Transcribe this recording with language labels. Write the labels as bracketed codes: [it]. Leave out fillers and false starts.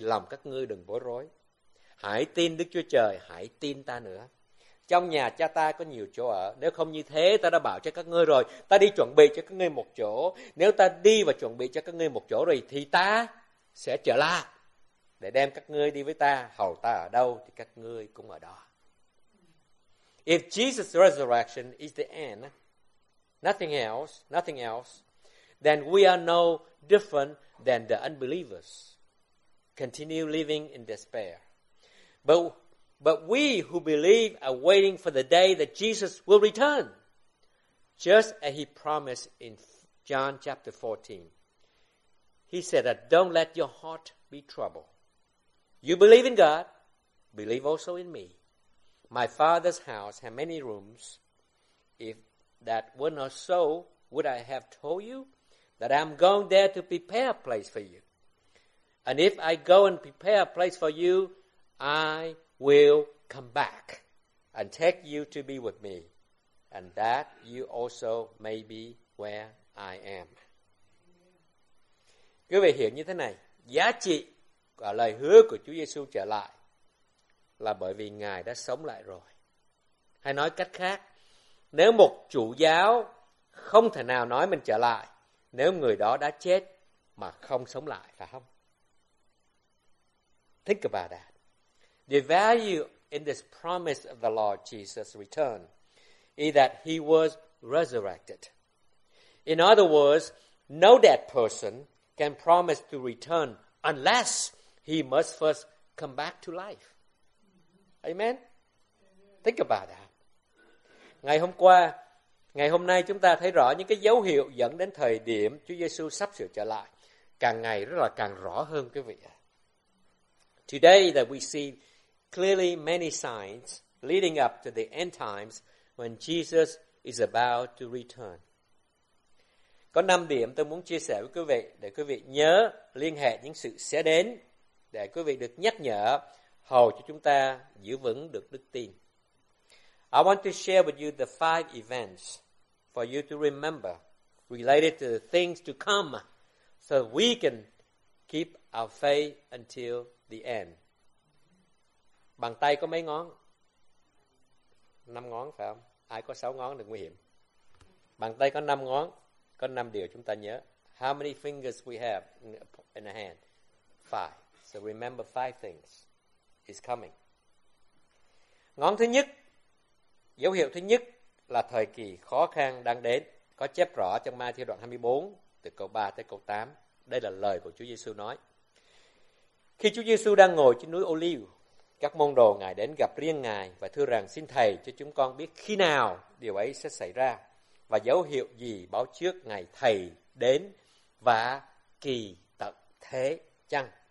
[vi] Lòng các ngươi đừng bối rối. Hãy tin Đức Chúa Trời, hãy tin ta nữa. Trong nhà cha ta có nhiều chỗ ở. Nếu không như thế, ta đã bảo cho các ngươi rồi. Ta đi chuẩn bị cho các ngươi một chỗ. Nếu ta đi và chuẩn bị cho các ngươi một chỗ rồi, thì ta sẽ trở lại để đem các ngươi đi với ta. Hầu ta ở đâu thì các ngươi cũng ở đó. [en] If Jesus' resurrection is the end, nothing else, then we are no different than the unbelievers. Continue living in despair. But we who believe are waiting for the day that Jesus will return, just as he promised in John chapter 14. He said that don't let your heart be troubled. You believe in God, believe also in me. My Father's house has many rooms. If that were not so, would I have told you that I am going there to prepare a place for you? And if I go and prepare a place for you, I will come back and take you to be with me, and that you also may be where I am. [vi] Quý vị hiểu như thế này, giá trị của lời hứa của Chúa Giêsu trở lại là bởi vì Ngài đã sống lại rồi. Hay nói cách khác, nếu một chủ giáo không thể nào nói mình trở lại nếu người đó đã chết mà không sống lại, phải không? [en] Think about that. The value in this promise of the Lord Jesus' return is that he was resurrected. In other words, no dead person can promise to return unless he must first come back to life. Amen. Think about that. [vi] Ngày hôm qua, ngày hôm nay chúng ta thấy rõ những cái dấu hiệu dẫn đến thời điểm Chúa Giêsu sắp sửa trở lại, càng ngày rất là càng rõ hơn quý vị. [en] Today that we see clearly many signs leading up to the end times when Jesus is about to return. [vi] Có 5 điểm tôi muốn chia sẻ với quý vị để quý vị nhớ liên hệ những sự sẽ đến để quý vị được nhắc nhở hầu cho chúng ta giữ vững được đức tin. [en] I want to share with you the 5 events for you to remember related to the things to come so we can keep our faith until the end. [vi] Bàn tay có mấy ngón? 5 ngón phải không? Ai có 6 ngón thì nguy hiểm. Bàn tay có 5 ngón, có 5 điều chúng ta nhớ. [en] How many fingers we have in a hand? 5. So remember 5 things. Is coming. [vi] Ngón thứ nhất, dấu hiệu thứ nhất là thời kỳ khó khăn đang đến, có chép rõ trong Ma-thi-ơ đoạn 24 từ câu 3 tới câu 8. Đây là lời của Chúa Giêsu nói. Khi Chúa Giêsu đang ngồi trên núi Ô-liu, các môn đồ Ngài đến gặp riêng Ngài và thưa rằng: "Xin Thầy cho chúng con biết khi nào điều ấy sẽ xảy ra và dấu hiệu gì báo trước ngày Thầy đến và kỳ tận thế chăng?"